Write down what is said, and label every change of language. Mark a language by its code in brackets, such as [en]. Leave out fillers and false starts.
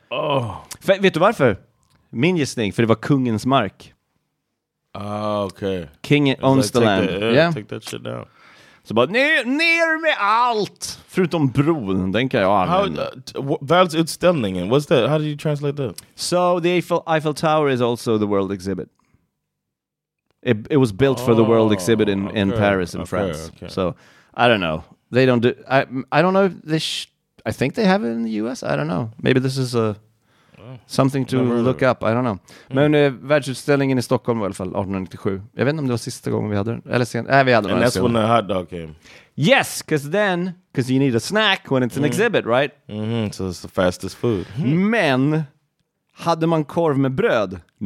[sv] Oh. För, vet du varför? Min gissning, för det var kungens mark. Ah, okej. [en] Okay. King owns the land. Take that shit down. [sv] Så bara, ner med allt! Förutom bron, den kan jag använda. [en] Världsutställningen, what's that? How did you translate that? So, the Eiffel Tower is also the world exhibit. It was built for the world exhibit in Paris in France. Okay. So I don't know. They don't do. I don't know. I think they have it in the U.S. I don't know. Maybe this is a something to look up. I don't know. Mm. [sv] Men världsutställningen i Stockholm var i alla fall 1897. Jag vet inte om det var sista gången vi hade den. Eller sen. Vi hade den. [en] And that's when the hot dog came. Yes, because you need a snack when it's an exhibit, right? Mm-hmm. So it's the fastest food. [sv] Men hade man korv med bröd?